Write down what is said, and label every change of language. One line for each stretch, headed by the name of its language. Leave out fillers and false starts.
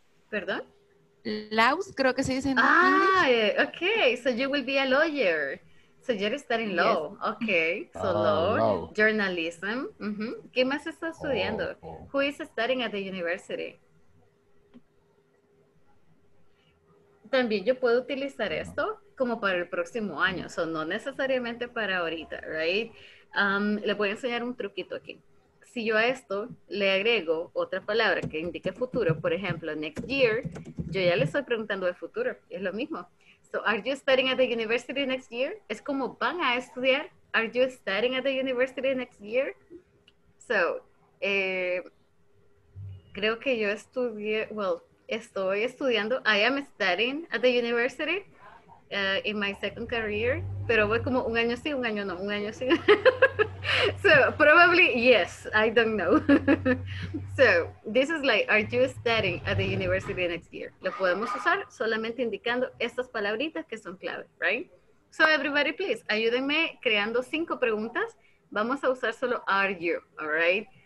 Spanish: Perdón. Laus, creo que se dice.
English: Ah, okay. So, you will be a lawyer. So, you're studying law. Yes. Okay. So, law, no. Journalism. Mm-hmm.
Spanish: ¿Qué más está estudiando?
English: Oh, oh. Who is studying at the university?
Spanish: También yo puedo utilizar esto como para el próximo año. So, no necesariamente para ahorita,
English: right?
Spanish: Le voy a enseñar un truquito aquí. Si yo a esto le agrego otra palabra que indique futuro, por ejemplo, next year, yo ya le estoy preguntando el futuro. Es lo mismo.
English: So, are you studying at the university next year?
Spanish: Es como, ¿van a estudiar?
English: Are you studying at the university next year?
Spanish: So, creo que yo estudié, well, estoy estudiando,
English: I am studying at the university in my second career,
Spanish: pero voy como un año sí, un año no, un año sí.
English: So, probably, yes, I don't know. So, this is like, are you studying at the university next year?
Spanish: Lo podemos usar solamente indicando estas palabritas que son clave, right? So,
English: everybody, please,
Spanish: ayúdenme creando 5 preguntas. Vamos a usar solo are you, all right?